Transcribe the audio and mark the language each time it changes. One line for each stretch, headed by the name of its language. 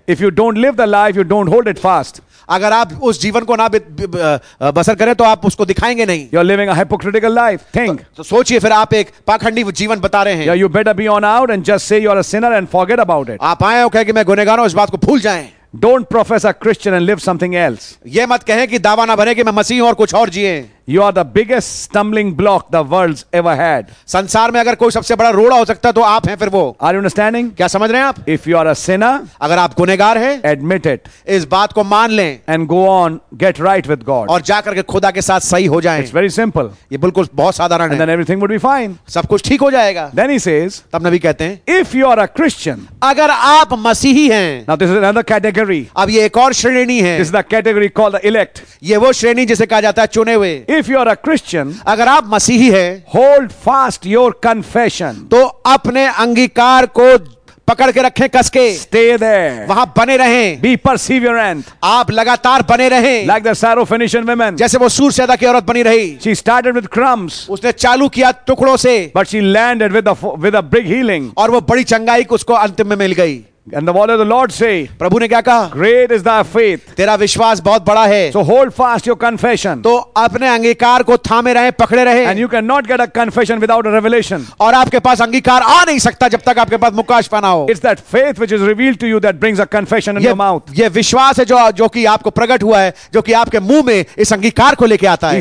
English: If you don't live the life, you don't hold it fast.
Hindi: अगर आप उस जीवन को ना बसर करें तो आप उसको दिखाएंगे नहीं.
English: You are living a hypocritical life. Think.
Hindi: तो सोचिए फिर आप एक पाखंडी जीवन बता रहे हैं.
English: You better be on out and just say you are a sinner and forget about it.
Hindi: आप आए हो कहे कि मैं गुनेगार हूं, इस बात को भूल जाएं.
English: Don't profess a Christian and live something else.
Hindi: ये मत कहें कि दावा ना भरे कि मैं मसीह हूं और कुछ और जिए.
English: You are the biggest stumbling block the world's ever had.
Hindi: संसार में अगर कोई सबसे बड़ा रोड़ा हो सकता है तो आप हैं फिर वो.
English: Are you understanding?
Hindi: क्या समझ रहे हैं आप?
English: If you are a sinner,
Hindi: अगर आप गुनेगार हैं,
English: admit it.
Hindi: इस बात को मान लें.
English: And go on, get right with God.
Hindi: और जाकर के खुदा के साथ सही हो जाएं.
English: It's very simple.
Hindi: ये बिल्कुल बहुत साधारण है.
English: And then everything would be fine.
Hindi: सब कुछ ठीक हो जाएगा.
English: Then he says,
Hindi: तब नबी कहते हैं,
English: If you are a Christian,
Hindi: अगर आप मसीही हैं.
English: Now this is another category.
Hindi: अब ये एक और श्रेणी है.
English: This is the category called the elect.
Hindi: ये वो श्रेणी जिसे कहा जाता है चुने हुए.
English: If you are a Christian,
Hindi: अगर आप मसीही हैं,
English: hold fast your confession.
Hindi: तो अपने अंगीकार को पकड़ के रखें कसके.
English: Stay there.
Hindi: वहां बने रहें.
English: Be perseverant.
Hindi: आप लगातार बने रहें.
English: Like the Syrophoenician woman.
Hindi: जैसे वो सूर सैदा की औरत बनी रही.
English: She started with crumbs.
Hindi: उसने चालू किया टुकड़ों से.
English: But she landed with a big healing.
Hindi: और वो बड़ी चंगाई उसको अंतिम में मिल गई.
English: And the word of the Lord say,
Hindi: प्रभु ने क्या कहा?
English: Great is thy faith.
Hindi: तेरा विश्वास बहुत बड़ा है.
English: So hold fast your confession.
Hindi: तो अपने अंगीकार को थामे रहे, पकड़े रहे.
English: And you cannot get a confession without a revelation.
Hindi: और आपके पास अंगीकार आ नहीं सकता जब तक आपके पास मुकाशफा ना हो.
English: It's that faith which is revealed to you that brings a confession in your mouth.
Hindi: ये विश्वास है जो कि आपको प्रकट हुआ है, जो कि आपके मुंह में इस अंगीकार को लेके आता है.